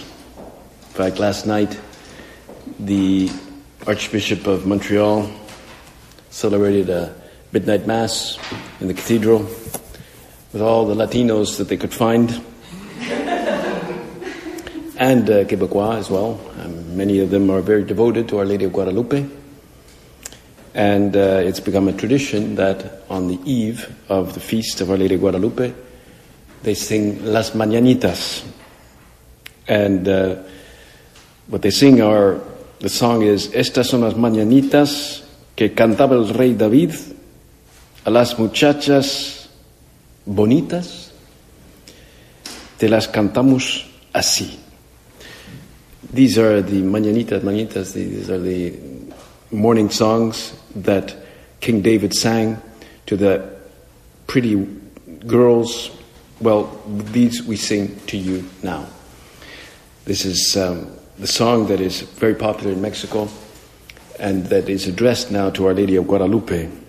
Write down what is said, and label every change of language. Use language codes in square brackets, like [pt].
[en] In fact, last night, the Archbishop of Montreal celebrated a midnight mass in the cathedral with all the Latinos that they could find, and Quebecois as well. Many of them are very devoted to Our Lady of Guadalupe. And it's become a tradition that on the eve of the feast of Our Lady of Guadalupe, they sing Las Mañanitas. And what they sing are, the song is, [es] Estas son las mañanitas que cantaba el rey David a las muchachas bonitas, te las cantamos así. [en] These are the mañanitas, these are the morning songs that King David sang to the pretty girls. Well, these we sing to you now. This is the song that is very popular in Mexico and that is addressed now to Our Lady of Guadalupe.